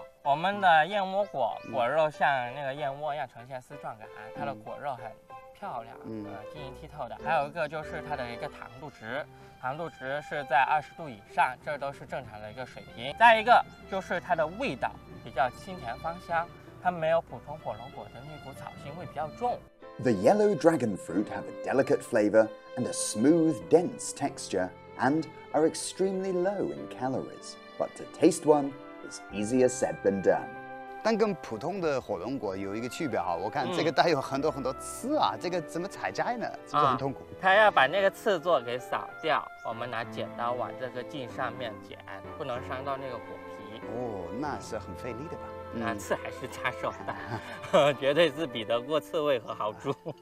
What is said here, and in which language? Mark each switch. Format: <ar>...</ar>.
<zh>我们的燕窝果果肉像那个燕窝一样呈现丝状感，它的果肉很漂亮，晶莹剔透的。还有一个就是它的一个糖度值，糖度值是在20度以上，这都是正常的一个水平。再一个就是它的味道比较清甜芳香。它没有普通火龙果的那股草腥味比较重。</zh> <en>The yellow dragon fruit have a delicate flavor and a smooth, dense texture and are extremely low in calories. But to taste one is easier said than done.</en> <zh>但跟普通的火龙果有一个区别哈，我看这个带有很多很多刺啊，这个怎么采摘呢？是不是很痛苦？它要把那个刺座给扫掉，我们拿剪刀往这个茎上面剪，不能伤到那个果皮。哦，那是很费力的吧？那刺还是扎手的，绝对是比得过刺猬和豪猪，</zh>